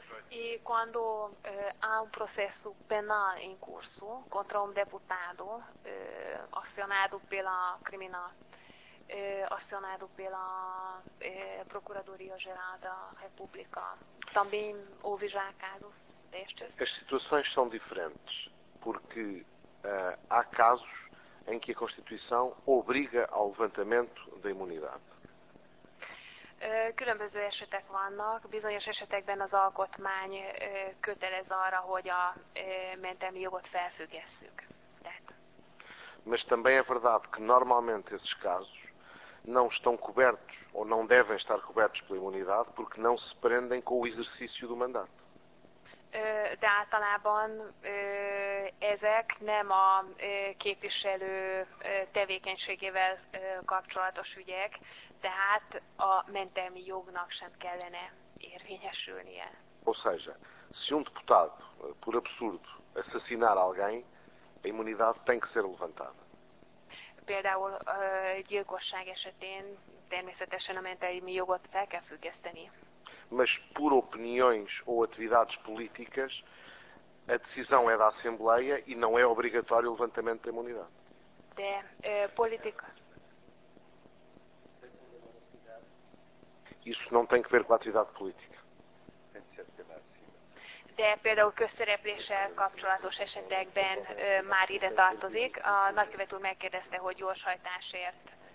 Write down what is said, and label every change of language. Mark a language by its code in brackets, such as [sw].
[pt] E quando há um processo penal em curso contra deputado acionado pela Procuradoria-Geral da República, também houve já casos destes? As situações são diferentes, porque há casos em que a Constituição obriga ao levantamento da imunidade. [hu] Különböző esetek vannak, bizonyos esetekben az alkotmány kötelez arra, hogy a mentelmi jogot felfüggesszük. [pt] Mas também é verdade que normalmente esses casos não estão cobertos ou não devem estar cobertos pela imunidade porque não se prendem com o exercício do mandato. [hu] De általában ezek nem a képviselő tevékenységével kapcsolatos ügyek, tehát a mentelmi jognak sem kellene érvényesülnie. [pt] Ou seja, se deputado, por absurdo, assassinar alguém, a imunidade tem que ser levantada. [hu] Például gyilkosság esetén természetesen a mentelmi jogot fel kell függeszteni. [pt] Mas por opiniões ou atividades políticas, a decisão é da Assembleia e não é obrigatório o levantamento da imunidade. De política. Isso não tem que ver com a atividade política. [hu] De például közszerepléssel kapcsolatos esetekben már ide tartozik. A nagykövető megkérdezte, hogy gyorshajtásért...